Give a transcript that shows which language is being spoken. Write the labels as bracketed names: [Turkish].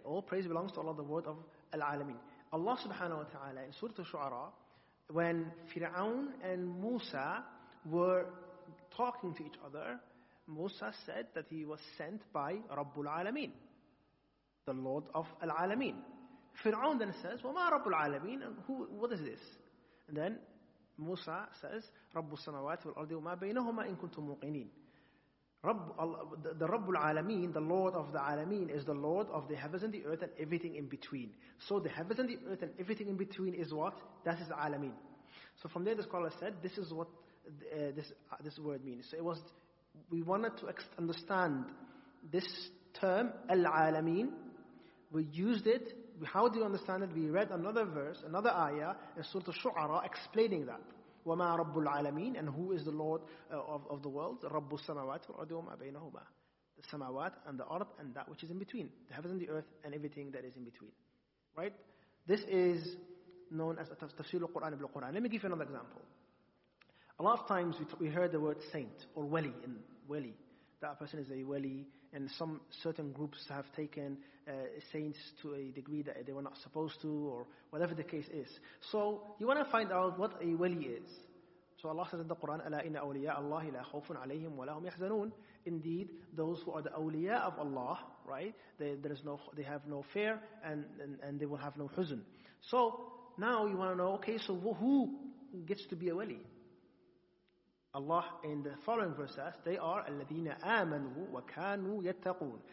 [English] All praise belongs to Allah, the word of Al-Alameen. Allah subhanahu wa ta'ala, in Surah Al-Shu'ara, when Fir'aun and Musa were talking to each other, Musa said that he was sent by Rabbul Alameen, the Lord of Al-Alameen. Fir'aun then says, [Arabic] وَمَا رَبُّ الْعَالَمِينَ? [English] What is this? And then Musa says, [Arabic] رَبُّ السَّمَوَاتِ وَالْأَرْضِ وَمَا بَيْنَهُمَا إِن كُنْتُمْ مُوقِنِينَ. [English] The Rabbul Alameen, the Lord of the Alameen, is the Lord of the heavens and the earth and everything in between. So the heavens and the earth and everything in between is what? That is the Alameen. So from there the scholar said, this is what this word means. So it was, we wanted to understand this term, Al-Alameen. We used it. How do you understand it? We read another verse, another ayah in Surah Al-Shu'ara explaining that. [Arabic] وَمَا رَبُّ الْعَالَمِينَ? [English] And who is the Lord of the world? [Arabic] رَبُّ السَّمَوَاتِ وَالْأَرْضِ وَمَا بَيْنَهُمَا. [English] The samawat and the earth and that which is in between. The heavens and the earth and everything that is in between. Right? This is known as [Arabic] تفسير القرآن بالقرآن. [English] Let me give you another example. A lot of times we heard the word saint or wali. In wali, that person is a wali, and some certain groups have taken saints to a degree that they were not supposed to, or whatever the case is. So you want to find out what a wali is. So Allah says in the Quran, [Arabic] أَلَا إِنَّ أَوْلِيَاءَ اللَّهِ لَا خَوْفٌ عَلَيْهِمْ وَلَا هُمْ يَحْزَنُونَ. [English] Indeed, those who are the awliya of Allah, right? They have no fear, and they will have no huzn. So now you want to know, okay, so who gets to be a wali? Allah in the following verse says, they are [Arabic] الَّذِينَ آمَنُوا وَكَانُوا يَتَّقُونَ.